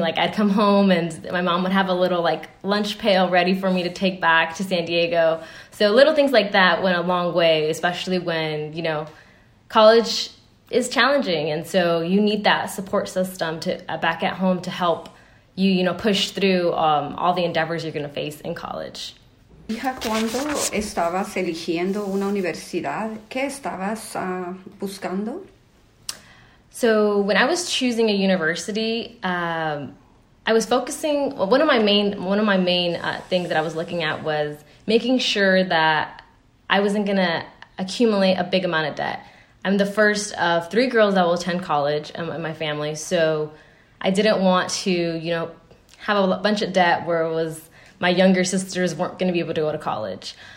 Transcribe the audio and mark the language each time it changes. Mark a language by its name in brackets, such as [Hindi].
[English] Like, I'd come home and my mom would have a little like lunch pail ready for me to take back to San Diego. So little things like that went a long way, especially when, you know, college is challenging, and so you need that support system to back at home to help you, you know, push through all the endeavors you're going to face in college. [Spanish] Hija, cuando estabas eligiendo una universidad, ¿qué estabas buscando? [English] So when I was choosing a university, I was focusing. One of my main things that I was looking at was making sure that I wasn't going to accumulate a big amount of debt. I'm the first of 3 girls that will attend college in my family, so I didn't want to, you know, have a bunch of debt where it was my younger sisters weren't going to be able to go to college.